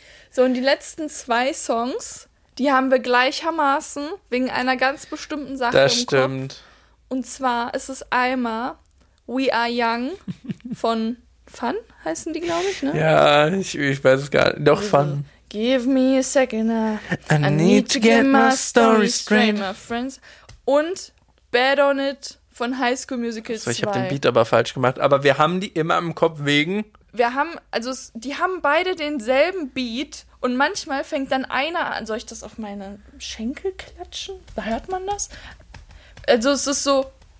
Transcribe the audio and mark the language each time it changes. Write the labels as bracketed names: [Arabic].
[German] So, und die letzten zwei Songs, die haben wir gleichermaßen wegen einer ganz bestimmten Sache das im stimmt. Kopf. Und zwar ist es einmal We Are Young von Fun, heißen die, glaube ich, ne? Ja, ich weiß es gar nicht. Doch, Fun. [English] Give me a second, I need to get my story straight. My friends. [German] Und Bad On It von High School Musical 2. Ich habe den Beat aber falsch gemacht. Aber wir haben die immer im Kopf wegen... Wir haben, also die haben beide denselben Beat und manchmal fängt dann einer an. Soll ich das auf meine Schenkel klatschen? Da hört man das? Also es ist so.